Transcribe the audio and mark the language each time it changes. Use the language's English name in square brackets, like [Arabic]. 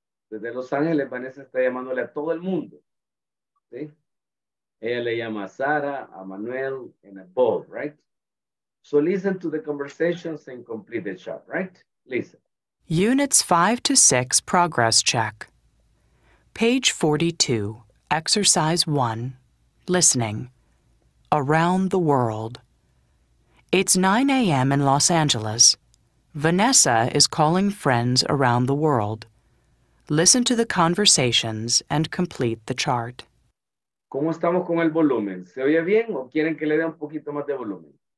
[Spanish] Desde Los Ángeles, Vanessa está llamándole a todo el mundo, ¿sí? Ella le llama a Sara, a Manuel, [English] and a Bob, right? So listen to the conversations and complete the chat, right? Listen. Units 5 to 6, progress check. Page 42, exercise 1, listening. Around the world. It's 9 a.m. in Los Angeles. Vanessa is calling friends around the world. Listen to the conversations and complete the chart. [Spanish] ¿Cómo estamos con el volumen? ¿Se oye bien o quieren que le dé un poquito más de volumen?